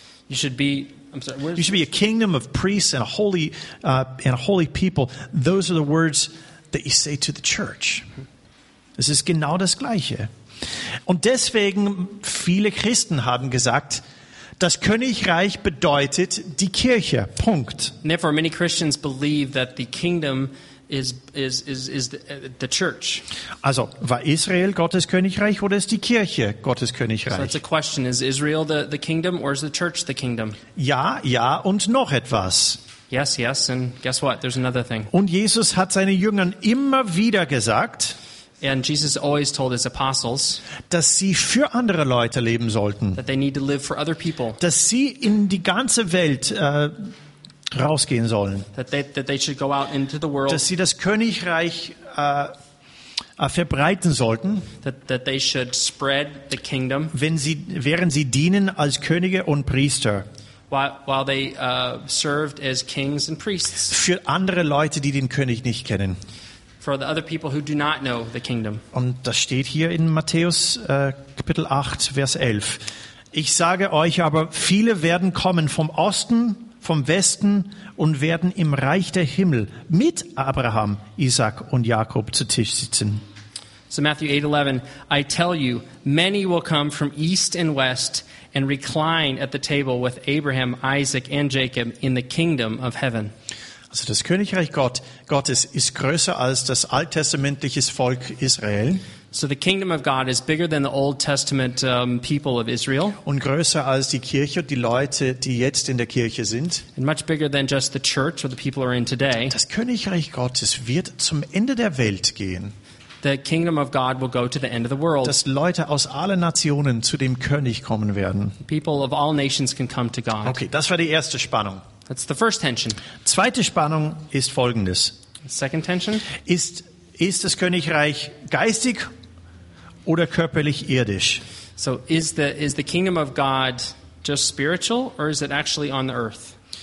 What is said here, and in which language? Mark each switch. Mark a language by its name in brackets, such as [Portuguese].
[English] You should be a kingdom of priests and a holy people. Those are the words that you say to the church. [German] Es ist genau das Gleiche. Und deswegen, viele Christen haben gesagt, das Königreich bedeutet die Kirche. Punkt. [English] And therefore, many Christians believe that the kingdom is the church. [German] Also, war Israel Gottes Königreich oder ist die Kirche Gottes Königreich? [English] So that's a question. Is Israel the kingdom or is the church the kingdom? [German] Ja, ja und noch etwas. [English] Yes, yes, and guess what? There's another thing. [German] Und Jesus hat seinen Jüngern immer wieder gesagt, [English] and Jesus always told his apostles, [German] dass sie für andere Leute leben sollten. [English] That they need to live for other people. [German] Dass sie in die ganze Welt rausgehen sollen. [English] That they should go out into the world. [German] Dass sie das Königreich verbreiten sollten. [English] That they should spread the kingdom. [German] Während sie dienen als Könige und Priester. [English] While they served as kings and priests. [German] Für andere Leute, die den König nicht kennen. [English] For the other people who do not know the kingdom. [German] Und das steht hier in Matthäus Kapitel 8, Vers 11. Ich sage euch aber, viele werden kommen vom Osten, vom Westen und werden im Reich der Himmel mit Abraham, Isaac und Jakob zu Tisch sitzen. [English] So Matthew 8:11, I tell you, many will come from east and west and recline at the table with Abraham, Isaac and Jacob in the kingdom of heaven. [German] Also das Königreich Gottes ist größer als das alttestamentliche Volk Israel. [English] So the kingdom of God is bigger than the Old Testament people of Israel. [German] Und größer als die Kirche, die Leute, die jetzt in der Kirche sind. [English] And much bigger than just the church or the people are in today. [German] Das Königreich Gottes wird zum Ende der Welt gehen. [English] The kingdom of God will go to the end of the world. [German] Dass Leute aus allen Nationen zu dem König kommen werden. [English] People of all nations can come to God. [German] Okay, das war die erste Spannung. [English] That's the first tension. [German] Zweite Spannung ist folgendes. [English] Second tension [German] ist das Königreich geistig oder körperlich irdisch? [English] So is the kingdom of God just spiritual or is it actually on the earth?